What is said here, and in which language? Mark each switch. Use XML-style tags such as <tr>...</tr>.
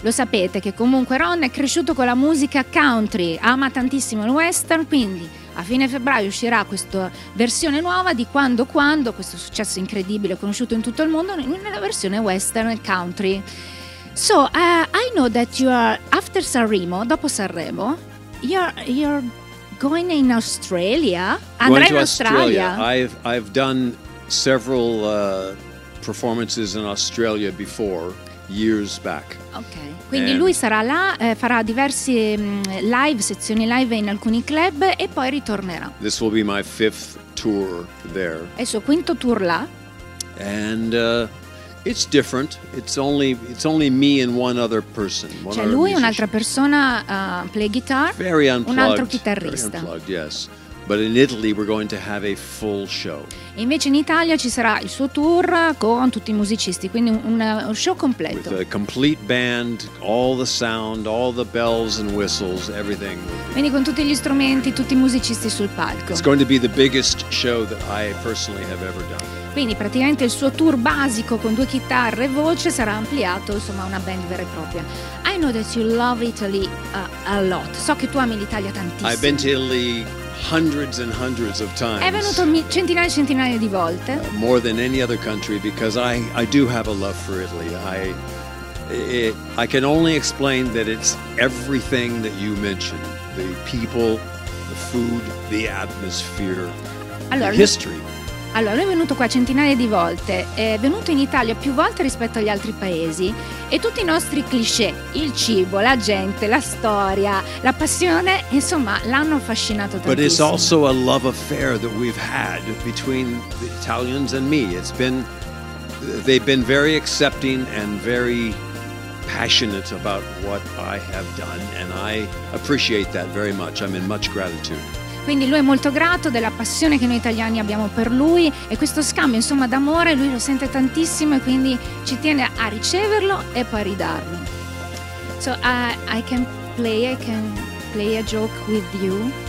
<it>Lo sapete che comunque Ron è cresciuto con la musica country, ama tantissimo il western, quindi a fine febbraio uscirà questa versione nuova di quando, questo successo incredibile conosciuto in tutto il mondo, nella versione western country.</it> <en>So, I know that you are, after Sanremo,</en> <it>dopo Sanremo,</it> <en>you're going in Australia?</en> <it>Andrai in Australia?</it> <en>I've done several performances in Australia before. Years back. Okay.</en> <it>Quindi lui sarà là, farà diversi live, sezioni live in alcuni club e poi ritornerà.</it> <en>This will be my fifth tour there.</en> <it>È il suo quinto tour là.</it> <en>And it's different. It's only me and one other person.</en> <it>C'è cioè lui e un'altra persona,</it> <en>play guitar. Very unplugged.</en> <it>Un altro chitarrista.</it> <en>Very unplugged, yes. But in Italy we're going to have a full show.</en> <it>E invece in Italia ci sarà il suo tour con tutti i musicisti, quindi un show completo.</it> <en>With a complete band, all the sound, all the bells and whistles, everything.</en> <it>Quindi con tutti gli strumenti, tutti i musicisti sul palco.</it> <en>It's going to be the biggest show that I personally have ever done.</en> <it>Quindi praticamente il suo tour basico con due chitarre e voce sarà ampliato, insomma, una band vera e propria.</it> <en>I know that you love Italy a lot.</en> <it>So che tu ami l'Italia tantissimo.</it> <en>I've been to Italy hundreds and hundreds of times. È venuto centinaia e centinaia di volte. More than any other country, because I do have a love for Italy. I can only explain that it's everything that you mentioned: the people, the food, the atmosphere,</en> <it>allora,</it> <en>the history.</en> <it>Allora, lui è venuto qua centinaia di volte, è venuto in Italia più volte rispetto agli altri paesi e tutti i nostri cliché, il cibo, la gente, la storia, la passione, insomma, l'hanno affascinato tantissimo.</it> <en>But it's also a love affair that we've had between the Italians and me. They've been very accepting and very passionate about what I have done, and I appreciate that very much. I'm in much gratitude.</en> <it>Quindi lui è molto grato della passione che noi italiani abbiamo per lui e questo scambio, insomma, d'amore lui lo sente tantissimo e quindi ci tiene a riceverlo e poi a ridarlo.</it> <en>So I can play a joke with you.</en>